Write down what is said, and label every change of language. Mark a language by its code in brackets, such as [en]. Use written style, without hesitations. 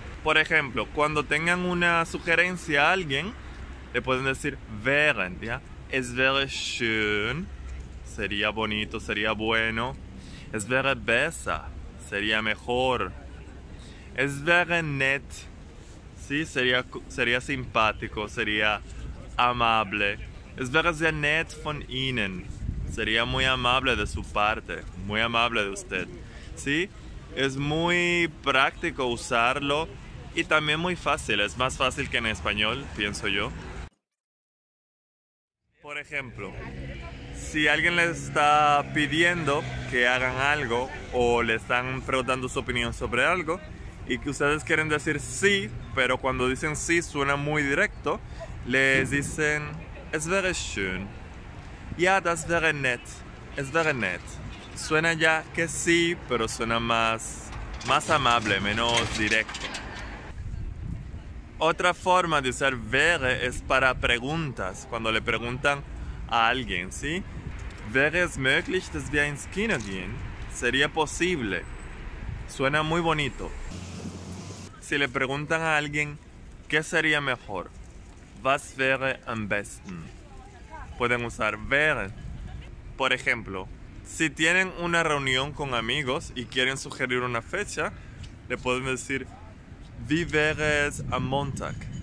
[es] Por ejemplo, cuando tengan una sugerencia a alguien, le pueden decir wäre, ¿ya? Es wäre schön, sería bonito, sería bueno. [de] Es wäre besser, sería mejor. Es wäre nett, ¿sí? [es] Sería simpático, sería amable. [de] Es wäre sehr nett von Ihnen. [es] Sería muy amable de su parte, muy amable de usted, ¿sí? Es muy práctico usarlo y también muy fácil, es más fácil que en español, pienso yo. Por ejemplo, si alguien les está pidiendo que hagan algo o le están preguntando su opinión sobre algo y que ustedes quieren decir sí, pero cuando dicen sí suena muy directo, les dicen, es wäre schön. Ja, das wäre nett. Es wäre nett. Suena ya que sí, pero suena más amable, menos directo. Otra forma de usar wäre es para preguntas, cuando le preguntan a alguien, ¿sí? [de] ¿Wäre es möglich, dass wir ins Kino gehen? [es] ¿Sería posible? Suena muy bonito. Si le preguntan a alguien, ¿qué sería mejor? Was wäre am besten? Pueden usar wäre. Por ejemplo, si tienen una reunión con amigos y quieren sugerir una fecha, le pueden decir, wie wäre es am Montag?